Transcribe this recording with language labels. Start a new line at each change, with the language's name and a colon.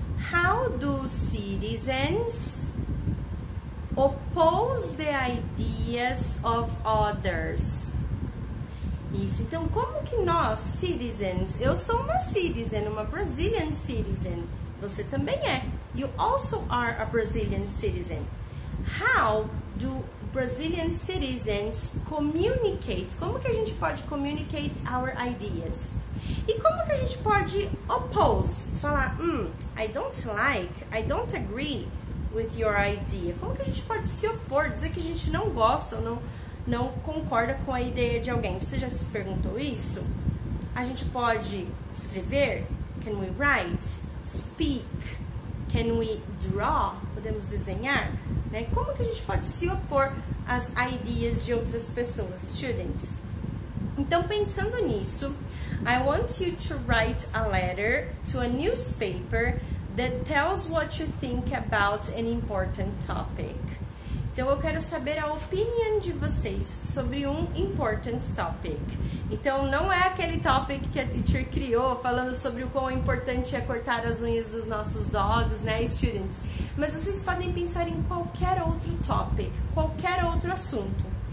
English: How do citizens oppose the ideas of others?
Portuguese: Isso, então, como que nós, citizens, eu sou uma citizen, uma
English: Brazilian citizen.
Portuguese: Você também é.
English: You also are a Brazilian citizen. How do Brazilian citizens communicate?
Portuguese: Como que a gente pode
English: communicate our ideas?
Portuguese: E como que a gente pode oppose? Falar,
English: I don't like, I don't agree with your idea.
Portuguese: Como que a gente pode se opor, dizer que a gente não gosta ou não concorda com a ideia de alguém? Você já se perguntou isso? A gente pode escrever?
English: Can we write? Speak? Can we draw?
Portuguese: Podemos desenhar? Né? Como que a gente pode se opor às ideias de outras pessoas, students? Então, pensando nisso,
English: I want you to write a letter to a newspaper that tells what you think about an important topic.
Portuguese: Então, eu quero saber a opinião de vocês sobre um
English: important topic.
Portuguese: Então, não é aquele topic que a teacher criou falando sobre o quão importante é cortar as unhas dos nossos dogs, né, students? Mas vocês podem pensar em qualquer outro topic, qualquer outro assunto.